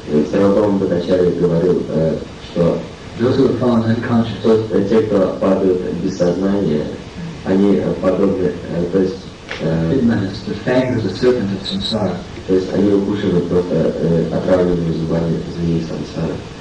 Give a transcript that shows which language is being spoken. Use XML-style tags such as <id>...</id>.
<ru>Sarvam Bhattacharya говорил, что</ru> <en>those who have fallen unconscious, those who have fallen unconscious,</en> <ru>они подобны, то есть</ru> <en>the fangs of the serpent of samsara.</en> <ru>То есть они укушены просто отравленными зубами змеи самсары.</ru>